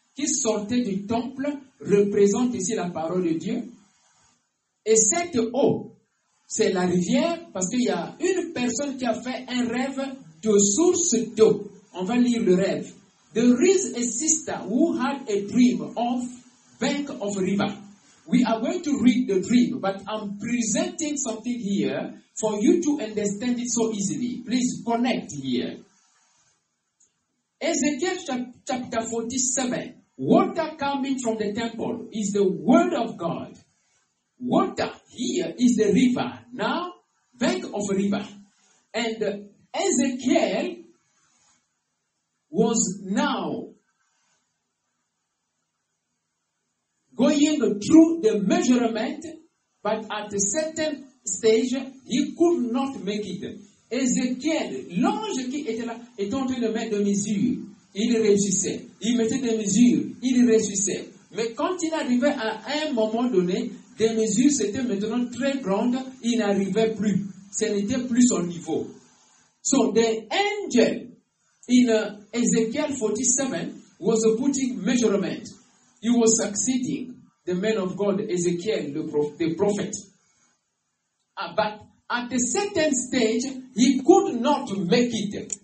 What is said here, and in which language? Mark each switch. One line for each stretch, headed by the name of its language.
French: qui sortait du temple représente ici la parole de Dieu. Et cette eau, c'est la rivière, parce qu'il y a une personne qui a fait un rêve de source d'eau. On va lire le rêve.
English: There is a sister who had a dream of bank of river. We are going to read the dream, but I'm presenting something here for you to understand it so easily. Please connect here. Ezekiel chapter 47. Water coming from the temple is the word of God. Water here is the river. Now, bank of a river. And Ezekiel was now going through the measurement, but at a certain stage, he could not make it.
French: Ezekiel, l'ange qui était là, était en train de mettre des mesures. Il réussissait. Il mettait des mesures. Il réussissait. Mais quand il arrivait à un moment donné, des mesures s'étaient maintenant très grandes. Il n'arrivait plus. Ce n'était plus son niveau.
English: So, the angel in Ezekiel 47 was putting measurement. He was succeeding the man of God, Ezekiel, the prophet. But at a certain stage, he could not make it.